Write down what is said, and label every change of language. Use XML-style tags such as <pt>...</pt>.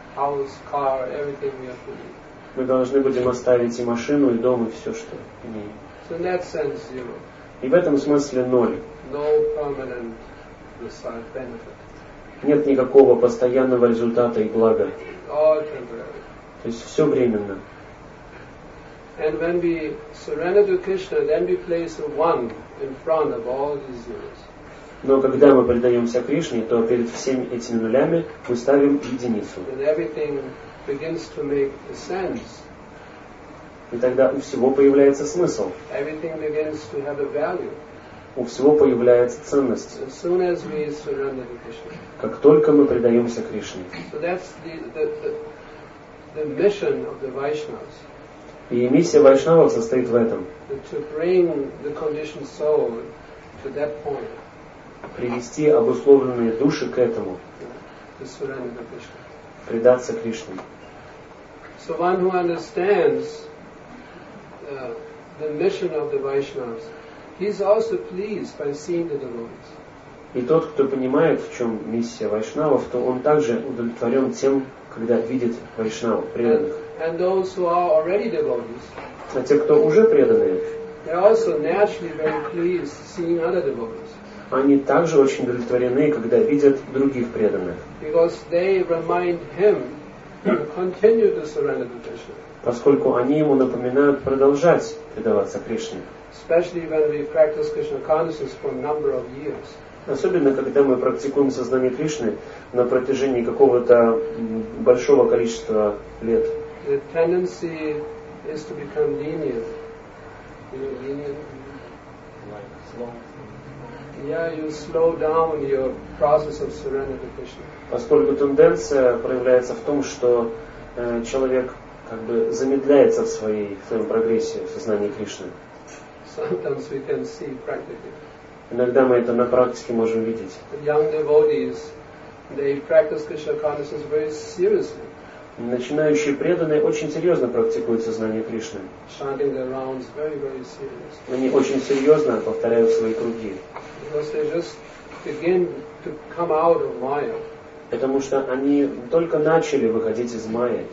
<en>House, car, everything we have to leave.</en> <ru>Мы должны будем оставить и машину, и дом, и все, что имеем.</ru> <en>So in that sense, zero.</en> <ru>И в этом смысле ноль.</ru> <en>No permanent result, benefit.</en> <ru>Нет никакого постоянного результата и блага.</ru> <en>All temporary.</en> <ru>То есть все временно.</ru> <en>And when we surrender to Krishna, then we place a one in front of all these zeros.</en> <ru>Но когда мы предаемся Кришне, то перед всеми этими нулями мы ставим единицу.</ru> <en>And everything begins to make sense.</en> <ru>И тогда у всего появляется смысл.</ru> <en>Everything begins to have a value.</en> <ru>У всего появляется ценность.</ru> <en>As soon as we surrender to Krishna.</en> <ru>Как только мы предаемся Кришне.</ru> <en>So that's the mission of the Vaishnavas.</en> <ru>И миссия вайшнавов состоит в этом.</ru> <en>To bring the conditioned soul to that point.</en> <ru>Привести обусловленные души к этому.</ru> <en>To surrender to Krishna.</en> <ru>Предаться Кришне.</ru> <en>So one who understands the mission of the Vaishnavas, he's also pleased by seeing the devotees.</en> <ru>И тот, кто понимает, в чем миссия вайшнавов, то он также удовлетворен тем, когда видит вайшнав, преданных.</ru> <en>And those who are already devotees,</en> <ru>а те, кто уже преданные,</ru> <en>they're also naturally very pleased seeing other devotees.</en> <ru>Они также очень удовлетворены, когда видят других преданных.</ru> <en>Because they remind him to continue to surrender to Krishna.</en> <ru>Поскольку они ему напоминают продолжать предаваться Кришне.</ru> <en>Especially when we practice Krishna consciousness for a number of years.</en> <ru>Особенно, когда мы практикуем сознание Кришны на протяжении какого-то большого количества лет.</ru> <en>The tendency is to become lenient. You know, lenient? Like slow. Yeah, you slow down your process of surrender to Krishna.</en> <ru>Поскольку тенденция проявляется в том, что человек как бы замедляется в своей, в своем прогрессе в сознании Кришны.</ru> <en>Sometimes we can see practically.</en> <ru>Иногда мы это на практике можем видеть.</ru> <en>Young devotees, they practice Krishna consciousness very seriously.</en> <ru>Начинающие преданные очень серьезно практикуют сознание Кришны.</ru> <en>Chanting their rounds very, very seriously.</en> <ru>Они очень серьезно повторяют свои круги.</ru> <en>Because they just begin to come out of Maya.</en> <ru>Потому что они только начали выходить из Майи.</ru>